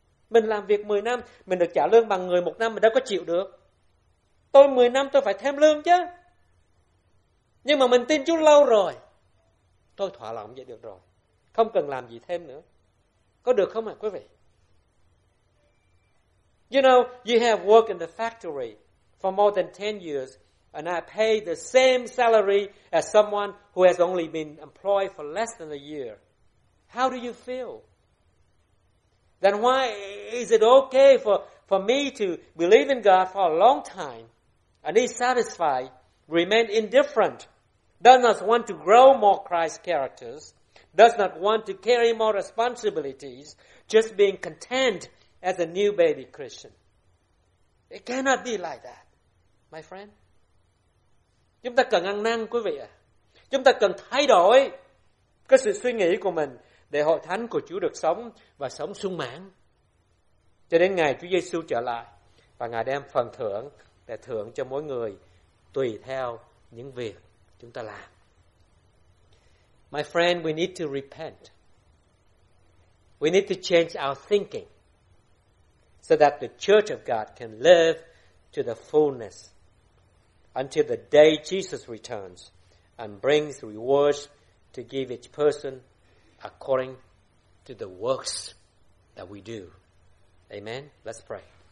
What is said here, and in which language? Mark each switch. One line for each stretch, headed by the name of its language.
Vietnamese: Mình làm việc 10 năm, mình được trả lương bằng người 1 năm mình đâu có chịu được. Tôi 10 năm tôi phải thêm lương chứ. Nhưng mà mình tin Chúa lâu rồi. Tôi thỏa lòng vậy được rồi. Không cần làm gì thêm nữa. Có được không ạ quý vị?
English: You know, you have worked in the factory for more than 10 years and I pay the same salary as someone who has only been employed for less than a year. How do you feel? Then why is it okay for me to believe in God for a long time and be satisfied, remain indifferent, does not want to grow more Christ's characters, does not want to carry more responsibilities, just being content as a new baby Christian? It cannot be like that, my friend.
Vietnamese: Chúng ta cần ăn năn quý vị ạ. Chúng ta cần thay đổi cái sự suy nghĩ của mình để hội thánh của Chúa được sống và sống sung mãn cho đến ngày Chúa Giêsu trở lại và Ngài đem phần thưởng để thưởng cho mỗi người tùy theo những việc chúng ta làm.
English: My friend, we need to repent. We need to change our thinking so that the church of God can live to the fullness until the day Jesus returns and brings rewards to give each person according to the works that we do. Amen. Let's pray.